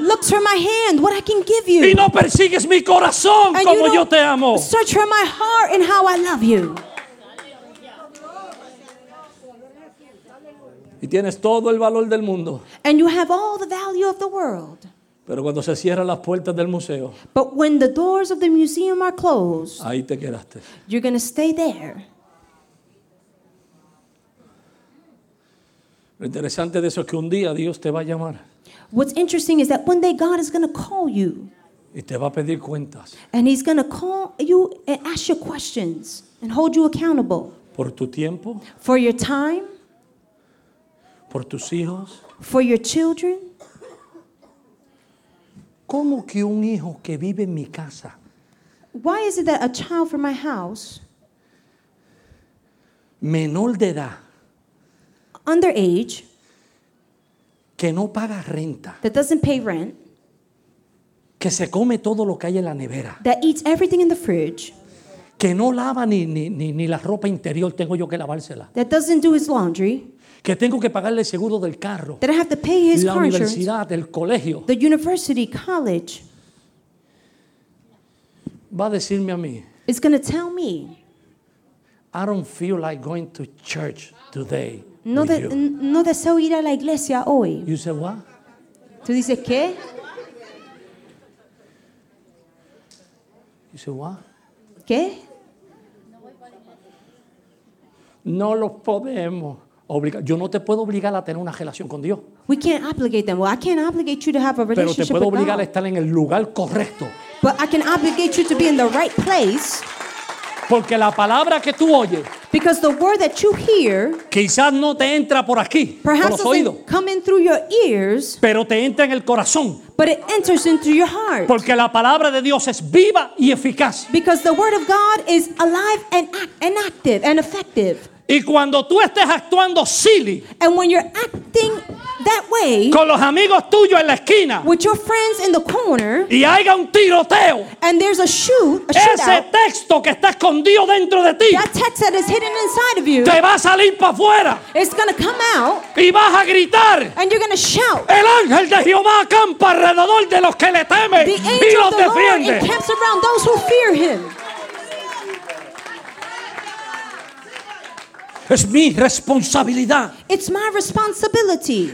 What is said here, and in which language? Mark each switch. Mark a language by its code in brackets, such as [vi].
[en] Looks for my hand, what I can give you. [es] Y no persigues mi corazón como yo te amo. [en] Search for my heart. And how I love you. [es] Y tienes todo el valor del mundo. [en] And you have all the value of the world. [es] Pero cuando se cierran las puertas del museo, [en] but when the doors of the museum are closed, [es] ahí te quedaste. [en] You're going to stay there. [es] Lo interesante de eso es que un día Dios te va a llamar. [en] What's interesting is that one day God is going to call you. [es] Y te va a pedir cuentas. [en] And he's going to call you and ask you questions and hold you accountable. [es] Por tu tiempo. [en] For your time. [es] Por tus hijos. [en] For your children. [es] ¿Cómo que un hijo que vive en mi casa? [en] Why is it that a child from my house, [es] menor de edad, [en] underage, [es] que no paga renta, [en] that doesn't pay rent, [es] que se come todo lo que hay en la nevera, [en] that eats everything in the fridge, [es] que no lava ni la ropa interior, tengo yo que lavársela, [en] that doesn't do his laundry, [es] que tengo que pagarle el seguro del carro, [en] that I have to pay his [es] la [en] car [es] universidad, [en] insurance, [es] el colegio, [en] the university, college, [es] va a decirme a mí, [en] it's going to tell me, I don't feel like going to church today. [es] No deseo ir a la iglesia hoy. [en] You say what? [es] Tú dices qué? [en] You say what? [es] ¿Qué? No los podemos obligar. Yo no te puedo obligar a tener una relación con Dios. [en] We can't obligate them. Well, I can't obligate you to have a relationship with God. [es] Pero te puedo obligar a estar en el lugar correcto. [en] But I can obligate you to be in the right place. [es] Porque la palabra que tú oyes, [en] because the word that you hear, [es] quizás no te entra por aquí, [en] perhaps [es] por los oídos, [en] come in through your ears, [es] pero te entra en el corazón, [en] but it enters into your heart, [es] porque la palabra de Dios es viva y eficaz, [en] because the word of God is alive and active and effective. [es] Y cuando tú estés actuando silly, [en] and when you're acting that way, [es] con los amigos tuyos en la esquina, [en] with your friends in the corner, [es] y haya un tiroteo, [en] and there's a [es] ese shootout, texto que está escondido dentro de ti, [en] that text that is hidden inside of you, [es] te va a salir para afuera, [en] it's gonna come out, [es] y vas a gritar, [en] and you're gonna shout, [es] el ángel de Jehová acampa alrededor de los que le temen, [en] the angel [es] y los defiende. [en] Lord encamps around those who fear him. [es] Es mi responsabilidad. [en] It's my responsibility.